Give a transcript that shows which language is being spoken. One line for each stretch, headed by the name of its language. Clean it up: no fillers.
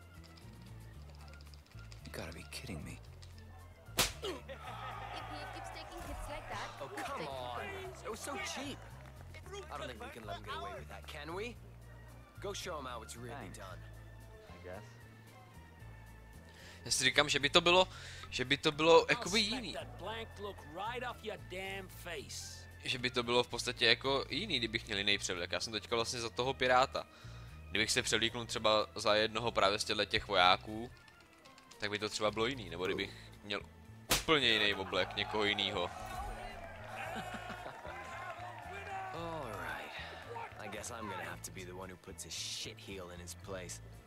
English: You gotta be kidding me. If he keeps taking hits like that... Oh, come on! It was so cheap! I don't think we can let him get away with that, can we? Go show him how it's really done.
Czech: Já si říkám, že by to bylo jakoby jiný. Že by to bylo v podstatě jako jiný, kdybych měl jiný převlek. Já jsem teďka vlastně za toho piráta. Kdybych se převlíknul třeba za jednoho právě z těchto těch vojáků, tak by to třeba bylo jiný, nebo kdybych měl úplně jiný oblek někoho jinýho.
English: I'm gonna have to be the one who puts a shit heel in his place.